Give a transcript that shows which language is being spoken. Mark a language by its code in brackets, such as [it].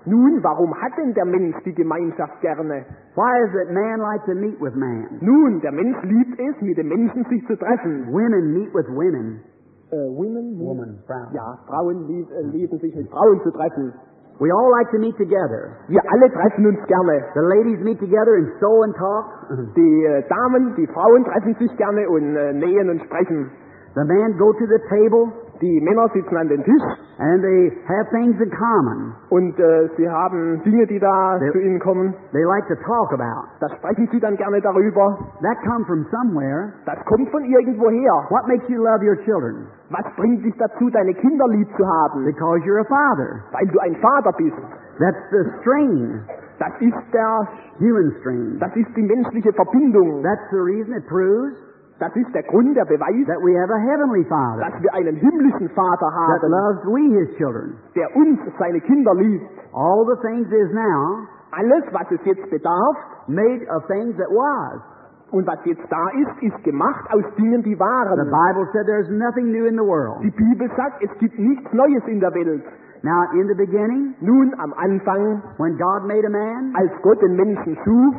[de] Nun, warum hat denn der Mensch die Gemeinschaft gerne? [en] Why is it man like to meet with man? [de] Nun, der Mensch liebt es, mit den Menschen sich zu treffen. [en] Women meet with women. Women. [de] Frauen. Ja, Frauen lieben sich mit Frauen zu treffen. [en] We all like to meet together. [de] Wir alle treffen uns gerne. [en] The ladies meet together and sew and talk. [de] Die Frauen treffen sich gerne und nähen und sprechen. [en] The men go to the table. [de] Die Männer sitzen an den Tisch. [en] And they have things in common. [de] Und sie haben Dinge, die da zu ihnen kommen. [en] They like to talk about. [de] Das sprechen sie dann gerne darüber. [en] That comes from somewhere. [de] Das kommt von irgendwoher. [en] What makes you love your children? [de] Was bringt dich dazu, deine Kinder lieb zu haben? [en] Because you're a father. [de] Weil du ein Vater bist. [en] That's the strain. [de] Das ist der [en] human strain. [de] Das ist die menschliche Verbindung. [en] That's the reason it proves. [de] Das ist der Grund, der Beweis, [en] that we have a heavenly Father, [de] dass wir einen himmlischen Vater haben, [en] that loves we his children, [de] der uns seine Kinder liebt. [en] All the things is now, [de] alles was es jetzt bedarf, [en] made of things that was. [de] Und was jetzt da ist, ist gemacht aus Dingen, die waren. [en] The Bible said there's nothing new in the world. [de] Die Bibel sagt, es gibt nichts Neues in der Welt. [en] Now in the beginning, [de] nun am Anfang, [en] when God made a man, [de] als Gott den Menschen schuf,